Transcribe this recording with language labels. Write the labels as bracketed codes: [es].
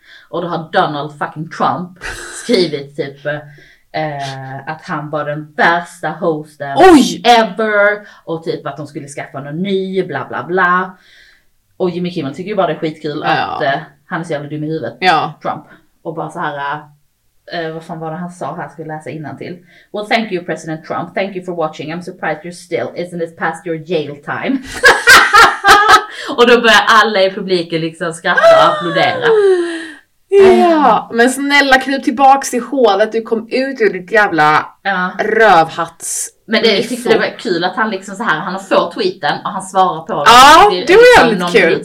[sv] Och då har Donald fucking Trump skrivit typ att han var den värsta hosten ever. Och typ att de skulle skaffa någon ny, bla bla bla. Och Jimmy Kimmel tycker ju bara det är skitkul att han är så jävla dum i huvudet, Trump. Och bara så här, vad fan var det han sa här, skulle läsa innantill. [en] Well thank you President Trump, thank you for watching. I'm surprised you're still, isn't it past your jail time? [sv] Och då börjar alla i publiken liksom skratta och applådera. Ja, men snälla, kan du tillbaka till hålet, du kom ut ur ditt jävla rövhats. Men det, jag tyckte det var kul att han liksom så här, han har fått tweeten och han svarar på det. Ja, det var jävligt kul.